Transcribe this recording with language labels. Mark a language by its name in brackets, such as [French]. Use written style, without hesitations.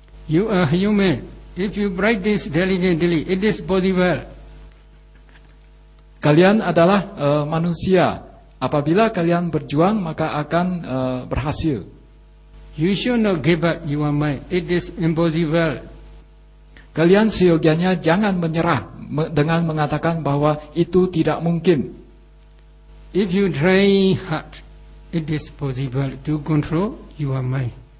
[English] You are human. If you practice diligently, it is possible. [Indonesian] Kalian adalah manusia. Apabila kalian berjuang, maka akan berhasil. [English] You should not give up your mind. It is impossible. [Indonesian] Kalian seyogianya jangan menyerah dengan mengatakan bahwa itu tidak mungkin. [English] If you try hard, it is possible to control your mind.